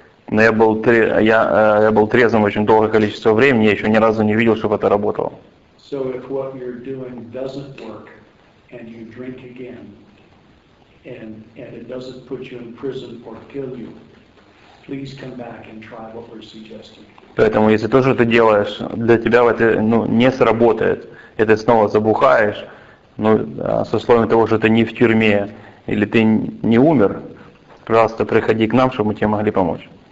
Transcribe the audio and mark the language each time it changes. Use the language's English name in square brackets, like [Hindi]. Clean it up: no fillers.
[Russian] Но я был трезвым очень долгое количество времени, я еще ни разу не видел, чтобы это работало. [English] So if what you're doing doesn't work, and you drink again, and it doesn't put you in prison or kill you, please come back and try what we're suggesting. [Russian] Поэтому если то, что ты делаешь, для тебя в это не сработает, и ты снова забухаешь, с условием того, что ты не в тюрьме или ты не умер, пожалуйста, приходи к нам, чтобы мы тебе могли помочь.